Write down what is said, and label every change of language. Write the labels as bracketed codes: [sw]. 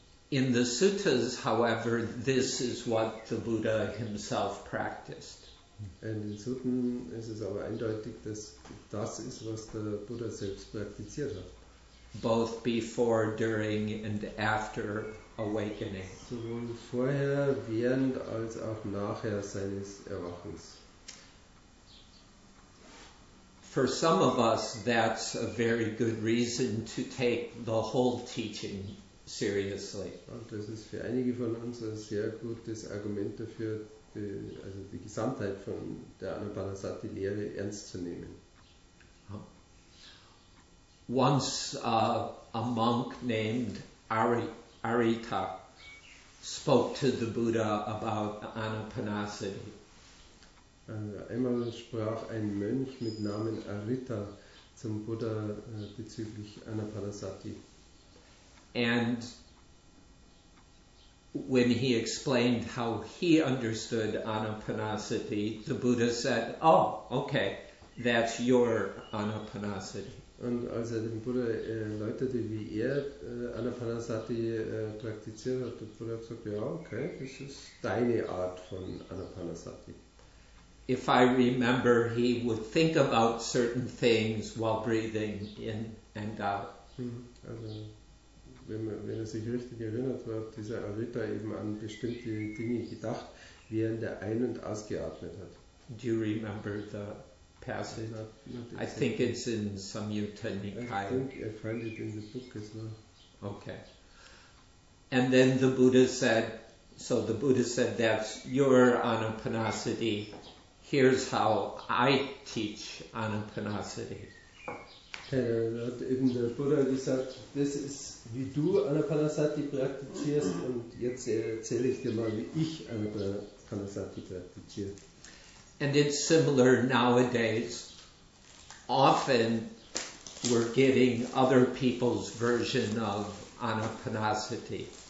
[en] In the suttas, however, this is what the Buddha himself practiced. [de] In den Sutten ist es aber eindeutig, dass das ist, was der Buddha selbst praktiziert hat. [en] Both before, during and after awakening. [de] Sowohl vorher, während als auch nachher seines Erwachens. [en] For some of us, that's a very good reason to take the whole teaching seriously. [de] Und das ist für einige von uns ein sehr gutes Argument dafür, die Gesamtheit von der Anapanasati-Lehre ernst zu nehmen. [en] Once a monk named Arita spoke to the Buddha about Anapanasati. [de] Einmal sprach ein Mönch mit Namen Arita zum Buddha bezüglich Anapanasati. [en] And when he explained how he understood Anapanasati, the Buddha said, "Oh, okay, that's your Anapanasati." [de] Und als dem Buddha erläuterte, wie Anapanasati praktiziert hat, der Buddha sagte, ja, okay, das ist deine Art von Anapanasati. [en] If I remember, he would think about certain things while breathing in and out. [de] Also, wenn er sich richtig erinnert, hat dieser Arita eben an bestimmte Dinge gedacht, während er ein- und ausgeatmet hat. [en] Do you remember the passage? Not exactly. I think it's in Samyutta Nikaya. I think I find it in the book as well. Okay. And then the Buddha said, that's your Anapanasati. Here's how I teach Anapanasati. [de] Hat eben der Buddha gesagt, das ist, wie du Anapanasati praktizierst, und jetzt erzähle ich dir mal, wie ich Anapanasati praktiziere. [en] And it's similar nowadays. Often we're getting other people's version of Anapanasati.